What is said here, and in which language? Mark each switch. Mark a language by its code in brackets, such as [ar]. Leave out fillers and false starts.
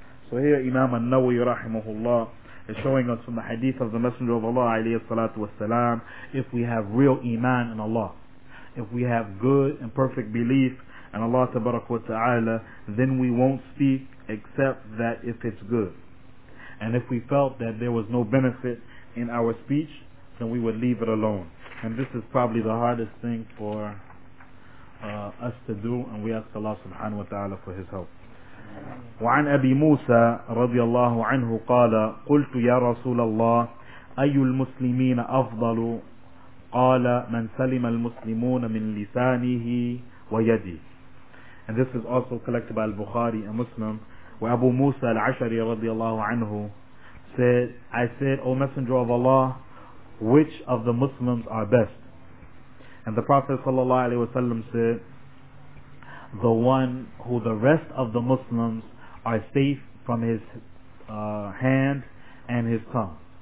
[en] So here Imam An-Nawawi rahimahullah is showing us from the hadith of the Messenger of Allah alayhi salatu wasalam, if we have real iman in Allah, if we have good and perfect belief in Allah tabarak wa ta'ala, then we won't speak except that if it's good. And if we felt that there was no benefit in our speech, then we would leave it alone. And this is probably the hardest thing for us to do, and we ask Allah subhanahu wa ta'ala for his help. [ar] وعن أبي موسى رضي الله عنه قال قلت يا رسول الله أي المسلمين أفضل قال من سلم المسلمون من لسانه ويده. [en] And this is also collected by Al-Bukhari and Muslim, where Abu Musa al-Ashari رضي الله عنه said, I said, O Messenger of Allah, which of the Muslims are best? And the Prophet صلى الله عليه وسلم said, the one who the rest of the Muslims are safe from his hand and his tongue.